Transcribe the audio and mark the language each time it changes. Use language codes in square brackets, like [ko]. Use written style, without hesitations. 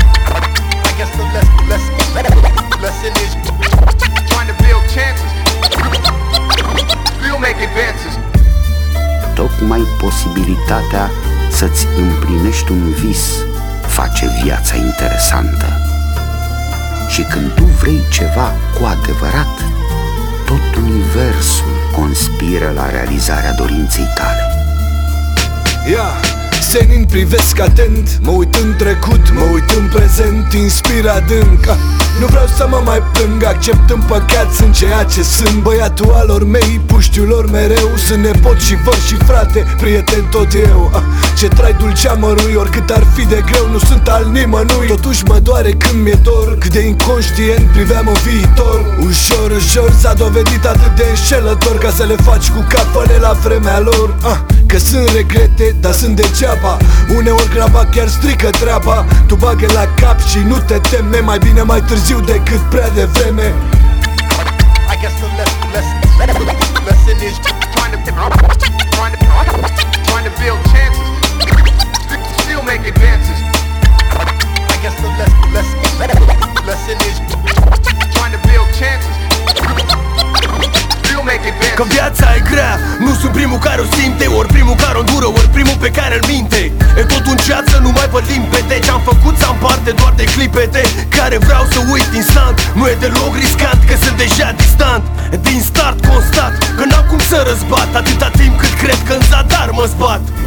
[en] I guess the lesson is trying to build chances, still make advances. [ro] Tocmai posibilitatea să-ți împlinești un vis face viața interesantă. Și când tu vrei ceva cu adevărat, tot universul conspiră la realizarea dorinței tale. Senin, privesc atent, mă uit în trecut, mă uit în prezent, inspir adânc. Nu vreau să mă mai plâng, accept în păcat, sunt ceea ce sunt. Băiatul alor mei, puștiul lor mereu, sunt nepot și văr și frate, prieten tot eu. Ce trai dulce amărui, oricât ar fi de greu, nu sunt al nimănui. Totuși mă doare când mi-e dor, cât de inconștient priveam în viitor. Ușor, ușor s-a dovedit atât de înșelător, ca să le faci cu capăle la vremea lor. Că sunt regrete, dar sunt degeaba. Uneori graba chiar strică treaba. Tu bagă la cap și nu te teme. Mai bine mai târziu decât prea devreme. [en] I guess the lesson is trying to build chances, still make advances. I guess the lesson is trying to build chances, still make advances. [ro] Că viața e grea, nu sunt primul care o simte, ori primul care o îndură, ori primul pe care îl minte. E tot un ceas să nu mai văd limpede. Ce-am făcut să-mi parte doar de clipete care vreau să uit instant. Nu e deloc riscant că sunt deja distant. Din start constat că n-am cum să răzbat atâta timp cât cred că în zadar mă zbat.